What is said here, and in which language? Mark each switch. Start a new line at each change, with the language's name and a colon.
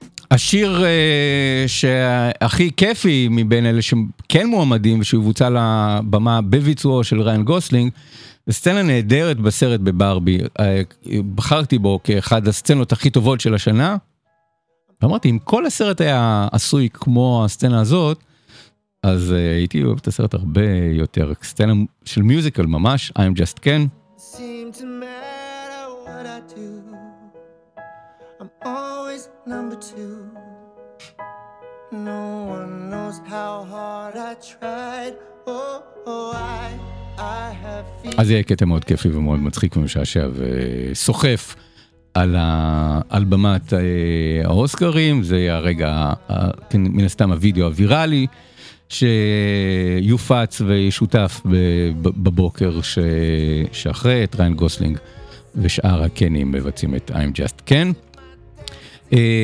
Hebrew: השיר שהכי כיפי מבין אלה שכן מועמדים, שיבוצע לבמה בביצועו של ריין גוסלינג, סצנה נהדרת בסרט בברבי. בחרתי בו כאחד הסצנות הכי טובות של השנה. ואמרתי, אם כל הסרט היה עשוי כמו הסצנה הזאת, אז הייתי אוהב את הסרט הרבה יותר. סצנה של מיוזיקל ממש, I'm Just Ken.
English: Seem to matter what I do, I'm always number two. No one knows how hard I tried, oh, oh, I have feet.
Hebrew: אז יהיה קטע מאוד כיפי ומאוד מצחיק ומשעשע וסוחף. על האלבמת האוסקרים, זה הרגע, מן הסתם הווידאו הוויראלי, שיופץ וישותף בבוקר שאחרי את ריין גוסלינג, ושאר הקנים מבצעים את I'm Just Ken.